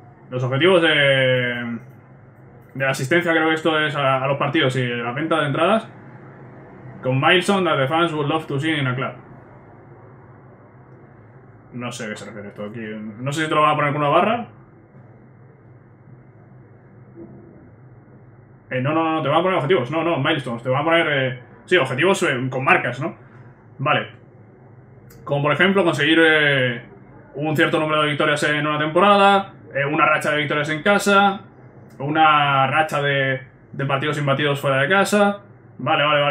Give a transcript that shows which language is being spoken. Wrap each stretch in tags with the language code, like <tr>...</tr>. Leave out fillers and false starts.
<es>Los objetivos de asistencia, creo que esto es a los partidos y la venta de entradas.</es> <en>Con milestone that the fans would love to see in a club.</en> <es>No sé a qué se refiere esto aquí. No sé si te lo van a poner con una barra. No, te van a poner objetivos. No, milestones. Te van a poner. Sí, objetivos con marcas, ¿no? Vale. Como por ejemplo, conseguir un cierto número de victorias en una temporada, una racha de victorias en casa, una racha de partidos imbatidos fuera de casa. Vale.</es>